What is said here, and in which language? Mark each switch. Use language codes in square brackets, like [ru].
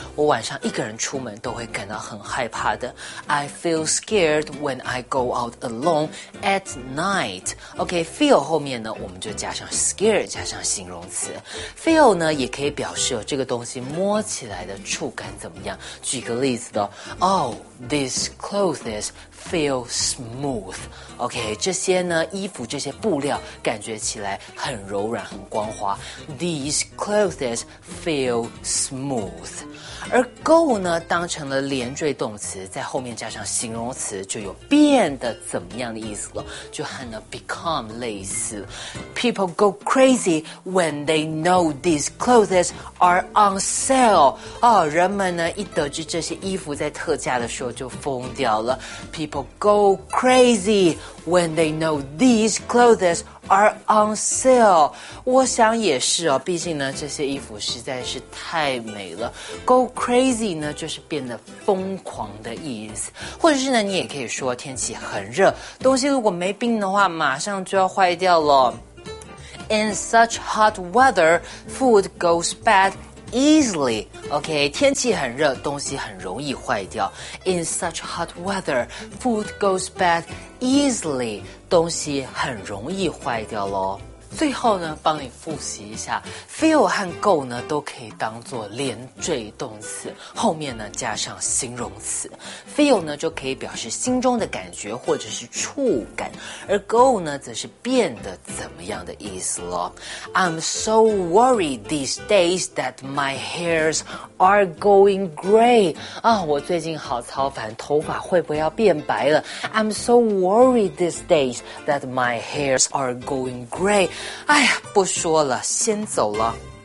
[zh] 我晚上一个人出门都会感到很害怕的。 [en] I feel scared when I go out alone at night。 [zh] OK，feel 后面呢，我们就加上 scared， 加上形容词。 Feel 呢，也可以表示这个东西摸起来的触感怎么样。举个例子的 [en] ，Oh，these clothes feel smooth。 [zh] OK， 这些呢衣服这些布料感觉起来很柔软很光滑。 [en] These clothes feel smooth。 [zh] 而 go 呢当成了连缀动词，在后面加上形容词，就有变得怎么样的意思了，就和呢 become 类似。 [en] People go crazy when they know these clothes are on sale。 [zh] 哦，人们呢一得知这些衣服在特价的时候就疯掉了。 [en] People go crazy when they know these clothes are on sale。 [zh] 我想也是哦，毕竟呢这些衣服实在是太美了。 go crazy 呢就是变得疯狂的意思，或者是呢你也可以说天气很热，东西如果没冰的话马上就要坏掉了。 [en] In such hot weather, food goes badEasily, OK, [zh] 天气很热，东西很容易坏掉。 [en] In such hot weather, food goes bad easily, [zh] 东西很容易坏掉咯。最后呢帮你复习一下 feel 和 go 呢都可以当作连缀动词，后面呢加上形容词。 feel 呢就可以表示心中的感觉或者是触感，而 go 呢则是变得怎么样的意思咯。 [en] I'm so worried these days that my hairs are going gray。 [zh] 啊，我最近好操烦，头发会不会要变白了。 [en] I'm so worried these days that my hairs are going gray。 [zh] 哎呀，不说了，先走了。